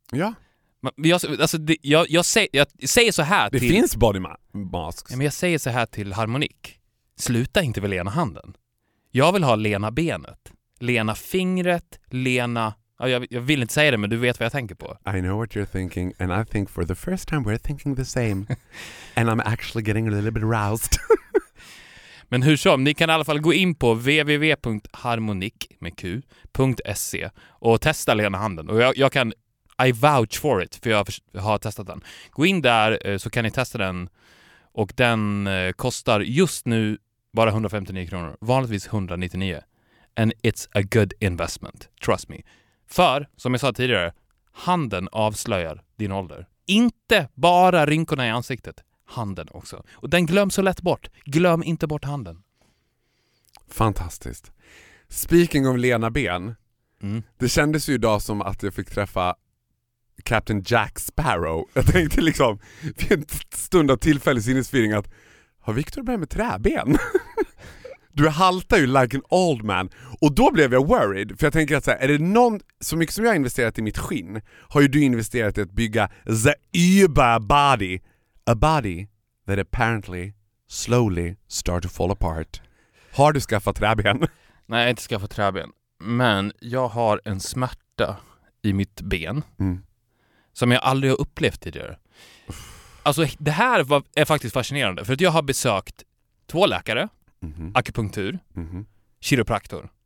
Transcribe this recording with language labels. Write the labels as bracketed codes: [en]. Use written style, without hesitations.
[sv] Ja. Jag säger så här till... Det finns body masks. Ja, men jag säger så här till Harmonik. Sluta inte med Lena Handen. Jag vill ha Lena benet. Lena fingret, Lena... Jag vill inte säga det, men du vet vad jag tänker på. [en] I know what you're thinking, and I think for the first time we're thinking the same. And I'm actually getting a little bit roused. [sv] Men hur som, ni kan i alla fall gå in på www.harmonik.se och testa Lena Handen. Och jag kan, [en] I vouch for it, [sv] för jag har testat den. Gå in där så kan ni testa den. Och den kostar just nu bara 159 kronor. Vanligtvis 199. [en] And it's a good investment, trust me. [sv] För, som jag sa tidigare, handen avslöjar din ålder. Inte bara rynkorna i ansiktet, handen också. Och den glöms så lätt bort. Glöm inte bort handen. Fantastiskt. [en] Speaking of [sv] Lena Ben, det kändes ju idag som att jag fick träffa Captain Jack Sparrow. Jag tänkte liksom, vid en stund av tillfällig sinnesfyring att, har Victor börjat med träben? Du haltar ju [en] like an old man. [sv] Och då blev jag [en] worried. [sv] För jag tänker att så här, är det någon, så mycket som jag har investerat i mitt skinn, har ju du investerat i att bygga [en] the uber body. A body that apparently slowly start to fall apart. [sv] Har du skaffat träben? Nej, jag har inte skaffat träben. Men jag har en smärta i mitt ben. Som jag aldrig har upplevt tidigare. Alltså det här är faktiskt fascinerande. För att jag har besökt två läkare. Akupunktur, kiropraktor.